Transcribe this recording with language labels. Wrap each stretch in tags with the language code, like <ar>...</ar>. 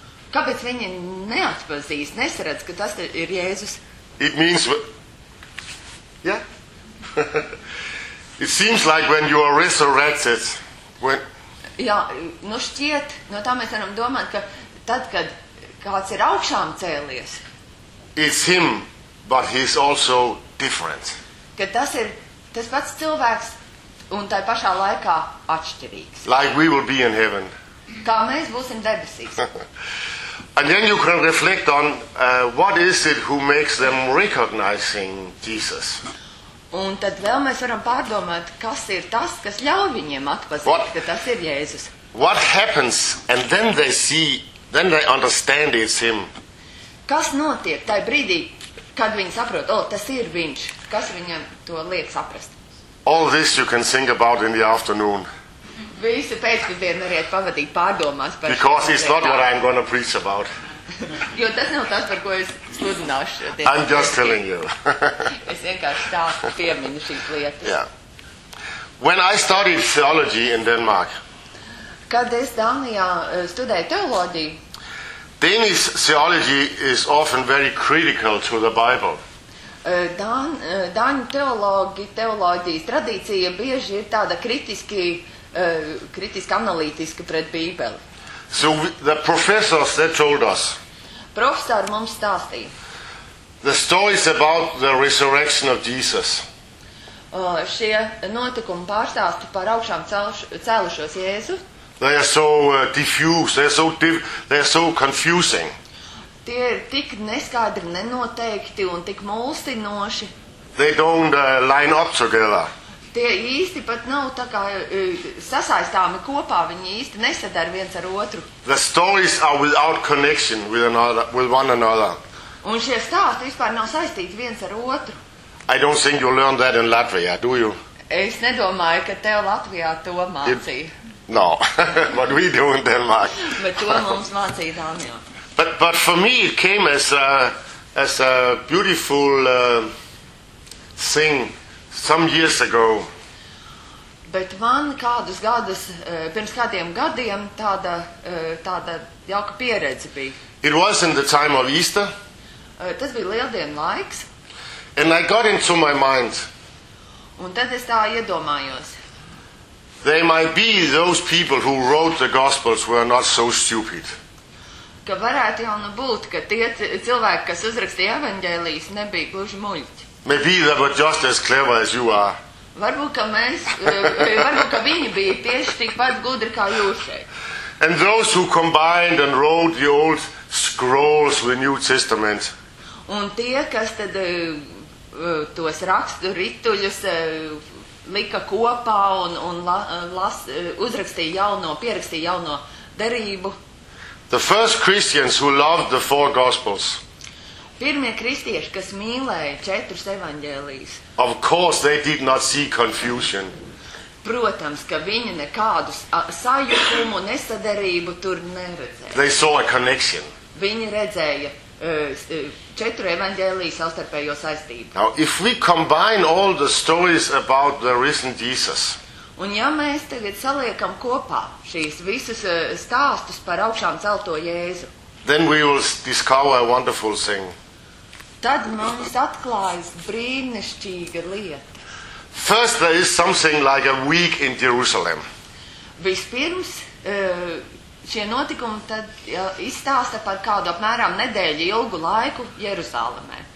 <lv>Kāpēc viņi neatpazīst, nesaredz, ka tas ir Jēzus?</lv> <en>It means... Yeah. It seems like when you are resurrected. When...</en> <lv>Jā, nu šķiet, no tā mēs varam domāt, ka tad, kad kāds ir augšām cēlies...</lv> <en>It's him, but he's also different.</en> <lv>Ka tas ir... Tas pats cilvēks un tai pašā laikā atšķirīgs.</lv> <en>Like we will be in heaven.</en> <lv>Kā mēs būsim debesīs.</lv> <en>And then you can reflect on what is it who makes them recognizing Jesus.</en> <lv>Un tad vēl mēs varam pārdomāt, kas ir tas, kas ļauj viņiem atpazīt, what, ka tas ir Jēzus.</lv> <en>What happens and then they see, then they understand it's him.</en> <lv>Kas notiek tai brīdī, kad viņi saprot, o, tas ir viņš. Kas viņam to liek saprast?</lv> <en>All this you can think about in the afternoon.</en> <lv>Visu pēcpusdienu varētu pavadīt pārdomās par</lv> <en>Because it's not what I'm going to preach about.</en> <lv>Jo tas nav tas, par ko es sludināšu.</lv> <en>I'm just telling you.</en> <lv>Es vienkārši stāstu pieminu šīs lietas.</lv> <en>Yeah. When I studied theology in Denmark.</en> <lv>Kad es Dānijā studēju teoloģiju.</lv> <en>Danish theology is often very critical to the Bible.</en> <lv>Dāņu teoloģijas tradīcija bieži ir tāda kritiski analītiski pret Bībeli.</lv> <en>So the professors they told us.</en> <lv>Profesori mums stāstīja.</lv> <en>The story is about the resurrection of Jesus.</en> <lv>Šie notikumi pārstāsti par augšām cēlušos Jēzu.</lv> <en>They are so diffuse, they are so confusing.</en> <lv>Tie ir tik neskaidri, nenoteikti un tik mulsinoši.</lv> <en>They don't line up together.</en> <lv>Tie īsti pat nav tā kā sasaistāmi kopā, viņi īsti nesadar viens ar otru.</lv> <en>The stories are without connection with one another.</en> <lv>Un šie stāsti vispār nav saistīti viens ar otru.</lv> <en>I don't think you learn that in Latvia, do you?</en> <lv>Es nedomāju, ka tev Latvijā to mācīja.</lv> <en>No, but we do in Denmark.</en> <lv>Bet to mums mācīja Dānijā.</lv> <en>But for me it came as a beautiful thing some years ago.</en> <lv>Bet man kādus gadus, pirms kādiem gadiem tāda jauka pieredze bija.</lv> <en>It was in the time of Easter.</en> <lv>Tas bija lieldienu laiks.</lv> <en>And I got into my mind.</en> <lv>Un tad es tā iedomājos.</lv> <en>They might be those people who wrote the gospels were not so stupid.</en> <lv>ka varētu jau nu būt, ka tie cilvēki, kas uzrakstīja evaņģēlijas, nebija gluži muļķi.</lv> <en>Maybe they were just as clever as you are.</en> <lv>Varbūt, ka mēs, varbūt, ka viņi bija tieši tikpat gudri kā jūs šeit.</lv> <en>And those who combined and wrote the old scrolls with New Testament.</en> <lv>Un tie, kas tad tos rakstu rituļus lika kopā un uzrakstīja jauno, pierakstīja jauno derību.</lv> <en>The first Christians who loved the four gospels.</en> <lv>Pirmie kristieši, kas mīlēja četrus evaņģēlijus.</lv> <en>Of course they did not see confusion.</en> <lv>Protams, ka viņi nekādu sajukumu, nesaderību tur neredzēja.</lv> <en>They saw a connection.</en> <lv>Viņi redzēja četru evaņģēliju savstarpējo saistību.</lv> <en>Now, if we combine all the stories about the risen Jesus.</en> <lv>Un ja mēs tagad saliekam kopā šīs visas stāstus par augšām celto Jēzu.</lv> <en>Then we will discover a wonderful thing.</en> <lv>Tad mums atklājas brīnišķīga lieta.</lv> <en>First there is something like a week in Jerusalem.</en> <lv>Vispirms šie notikumi tad izstāsta par kādu apmēram nedēļu ilgu laiku Jeruzalemē.</lv>